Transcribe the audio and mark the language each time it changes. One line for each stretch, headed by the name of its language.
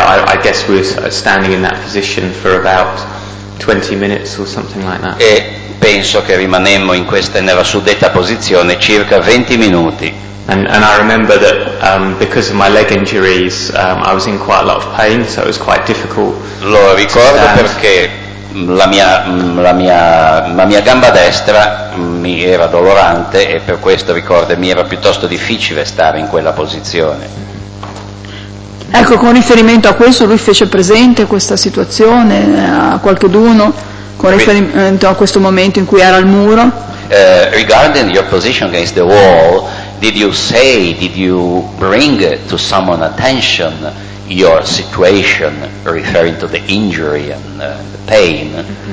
English: I guess we were standing in that position for about 20 minutes or something like that.
Italian: E penso che rimanemmo in questa nella suddetta posizione circa 20 minuti.
English: And I remember that because of my leg injuries I was in quite a lot of pain, so it was quite difficult.
Italian: Lo ricordo
English: to stand.
Italian: Perché la mia gamba destra mi era dolorante e per questo ricordo mi era piuttosto difficile stare in quella posizione. Ecco, con riferimento a questo, lui fece presente questa situazione a qualcheduno, con riferimento a questo momento in cui era al muro?
English: Regarding your position against the wall, did you say, did you bring to someone attention your situation, referring to the injury and the pain?